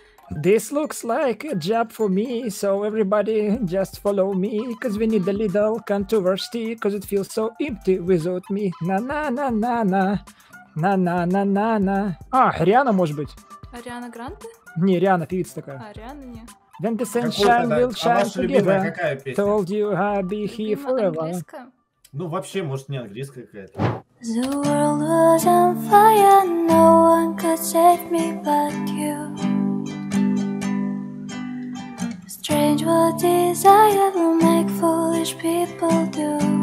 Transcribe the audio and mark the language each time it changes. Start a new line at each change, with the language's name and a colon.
English: This looks like a job for me, so everybody just follow me, cause we need a little controversy, cause it feels so empty without me. На-на-на-на-на. На-на-на-на-на.
Russian: А, Риана, может быть? Риана Гранте? Не, Риана, певица такая. А, Риана, не.
English: When the sunshine will shine together, told you I'll be here forever.
Russian: Ну, вообще, может, не английская какая-то.
English: The world was on fire, no one could save me but you. Strange what desire will make foolish people do.